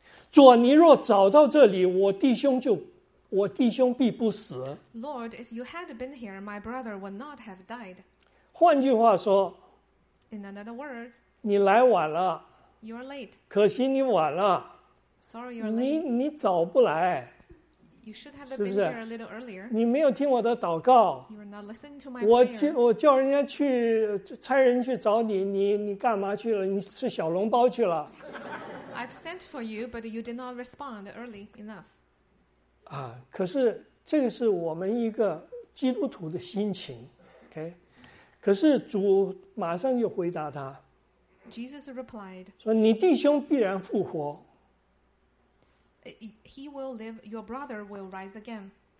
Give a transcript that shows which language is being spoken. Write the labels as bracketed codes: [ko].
[zh] 主，你若找到这里，我弟兄必不死。 [en] Lord, if you had been here, my brother would not have died. [zh] 换句话说 [en] ，In another words, [zh] 你来晚了。 [en] You are late. [zh] 可惜你晚了。 [en] Sorry, you are late. [zh] 你早不来。 [en] You should have been here a little earlier. [zh] 你没有听我的祷告。 [en] You are not listening to my prayer. [zh] 我叫人家去差人去找你，你干嘛去了？你吃小笼包去了。 [en] I've sent for you, but you did not respond early enough. [zh] 啊，可是这个是我们一个基督徒的心情 ，OK？可是主马上就回答他 [en] ，Jesus replied， [zh] 说你弟兄必然复活。 [en] He will live. Your brother will rise again.